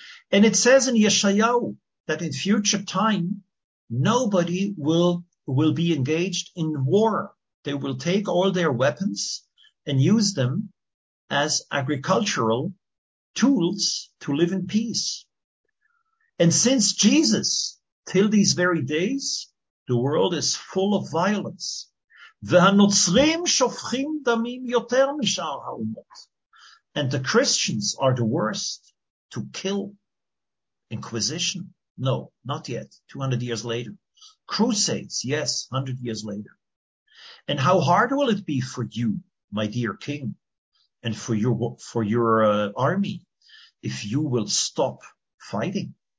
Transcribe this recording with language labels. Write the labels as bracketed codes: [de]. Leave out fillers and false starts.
[en] And it says in Yeshayahu that in future time, nobody will be engaged in war. They will take all their weapons and use them as agricultural tools to live in peace. And since Jesus, till these very days, the world is full of violence. [he] והנוצרים שופכים דמים יותר משאר האומות. [en] And the Christians are the worst to kill. Inquisition? No, not yet. 200 years later. Crusades? Yes, 100 years later. And how hard will it be for you, my dear king, and for your army, if you will stop fighting?